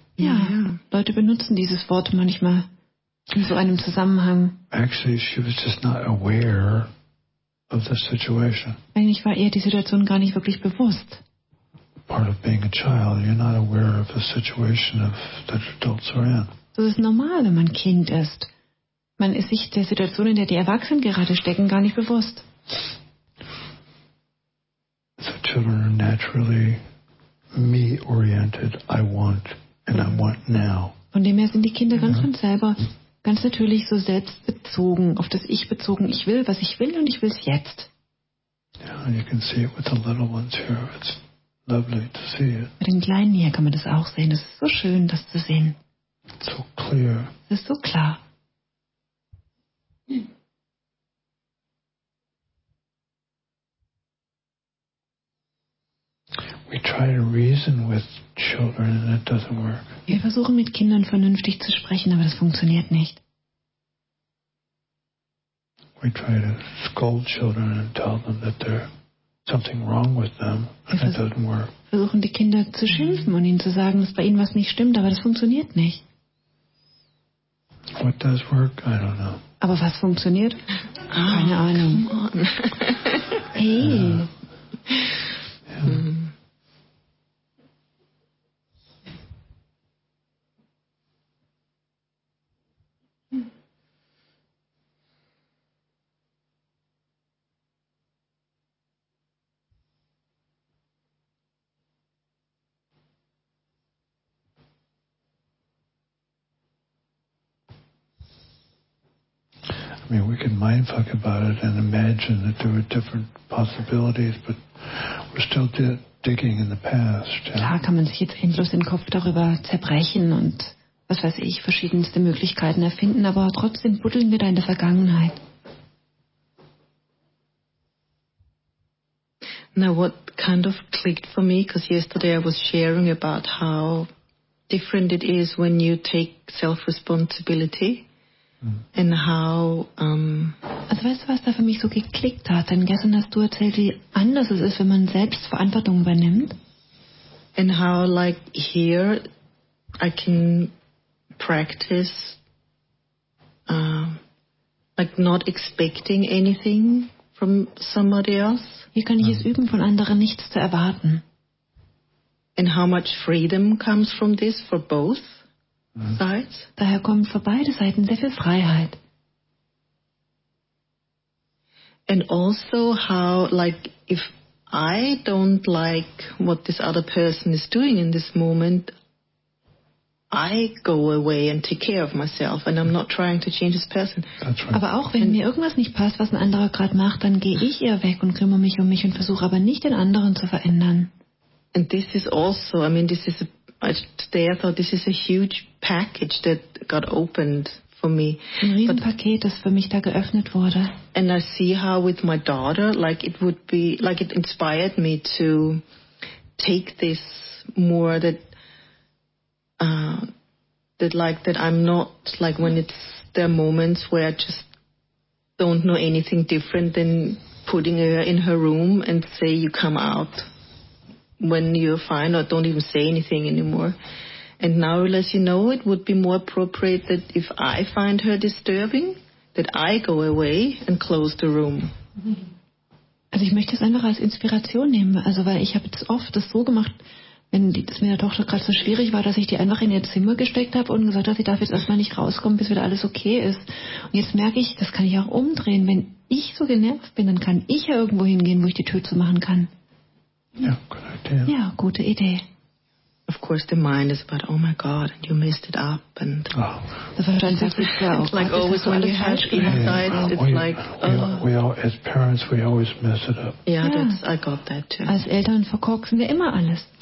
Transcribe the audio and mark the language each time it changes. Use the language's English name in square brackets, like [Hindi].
[German] Ja, Leute benutzen dieses Wort manchmal in so einem Zusammenhang. [English] Actually, she was just not aware of the situation. [German] Eigentlich war ihr die Situation gar nicht wirklich bewusst. [English] Part of being a child, you're not aware of the situation of that adults are in. [German] Das ist normal, wenn man Kind ist. Man ist sich der Situation, in der die Erwachsenen gerade stecken, gar nicht bewusst. [English] So children are naturally me-oriented. I want and I want now. [German] Von dem her sind die Kinder ganz von selber ganz natürlich so selbstbezogen, auf das Ich bezogen. Ich will, was ich will und ich will es jetzt. [English] Yeah, and you can see it with the little ones here. It's lovely to see it. [German] Mit den Kleinen hier kann man das auch sehen. Es ist so schön, das zu sehen. [English] It's so clear. [German] Es ist so klar. [English] We try to reason with children and it doesn't work. [German] Wir versuchen mit Kindern vernünftig zu sprechen, aber das funktioniert nicht. [English] We try to scold children and tell them that there's something wrong with them and it doesn't work. [German] Wir versuchen die Kinder zu schimpfen und ihnen zu sagen, dass bei ihnen was nicht stimmt, aber das funktioniert nicht. [English] What does work? I don't know. [German] Aber was funktioniert? Keine Ahnung. Hey. [English] Yeah. I mean, we can mindfuck about it and imagine that there were different possibilities, but we're still digging in the past. Yeah? [German] Klar, kann man sich jetzt endlos den Kopf darüber zerbrechen und, was weiß ich, verschiedenste Möglichkeiten erfinden, aber trotzdem buddeln wir da in der Vergangenheit. [English] Now, what kind of clicked for me, because yesterday I was sharing about how different it is when you take self-responsibility. And how, [German] also weißt du, was da für mich so geklickt hat? Denn gestern hast du erzählt, wie anders es ist, wenn man selbst Verantwortung übernimmt. [English] And how, like, here I can practice like not expecting anything from somebody else. [German] Hier kann ich es üben, von anderen nichts zu erwarten. [English] And how much freedom comes from this for both. Sides. [German] Daher kommt für beide Seiten sehr viel Freiheit. [English] And also how, like, if I don't like what this other person is doing in this moment, I go away and take care of myself and I'm not trying to change this person. That's right. [German] Aber auch wenn mir irgendwas nicht passt, was ein anderer gerade macht, dann gehe ich eher weg und kümmere mich um mich und versuche aber nicht den anderen zu verändern. [English] And this is also, I mean, this is a today I thought this is a huge package that got opened for me. [German] Ein Riesenpaket, das für mich da geöffnet wurde. [English] And I see how with my daughter, like it would be, like it inspired me to take this more that, that like that I'm not, like when it's there are moments where I just don't know anything different than putting her in her room and say you come out. When you're fine or don't even say anything anymore. And now, as you know, it would be more appropriate that if I find her disturbing, that I go away and close the room. [German] Also ich möchte es einfach als Inspiration nehmen, also weil ich habe jetzt oft das so gemacht, wenn es mit der Tochter gerade so schwierig war, dass ich die einfach in ihr Zimmer gesteckt habe und gesagt habe, sie darf jetzt erstmal nicht rauskommen, bis wieder alles okay ist. Und jetzt merke ich, das kann ich auch umdrehen. Wenn ich so genervt bin, dann kann ich ja irgendwo hingehen, wo ich die Tür zumachen kann. [English] Ja, good idea. [German] Ja, gute Idee. [English] Of course, the mind is about, oh my God, and you missed it up. And [German] wahrscheinlich sagt es ja auch. [English] Like always when you hatch inside, it's like, we all, as parents, we always mess it up. Yeah, that's, I got that too. [German] Als Eltern verkorksen wir immer alles.